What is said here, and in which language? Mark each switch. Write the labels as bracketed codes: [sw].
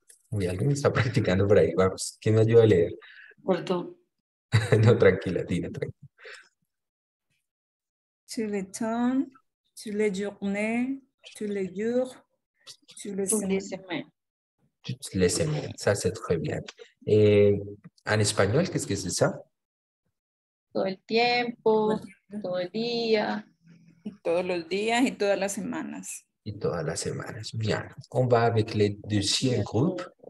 [es] Uy, alguien está practicando por ahí. Vamos, ¿quién me ayuda a leer? Perdón. No, tranquila, Tina, tranquila. [fr] Tous les temps, tous les journées, tous les jours, tous les semaines. Toutes les semaines, ça c'est très bien. [es] En español, ¿qué es que [fr] c'est ça? [es] Todo el tiempo, todo el día. Y todos los días y todas las semanas. Y todas las semanas. [fr] Bien, on va avec le deuxième groupe.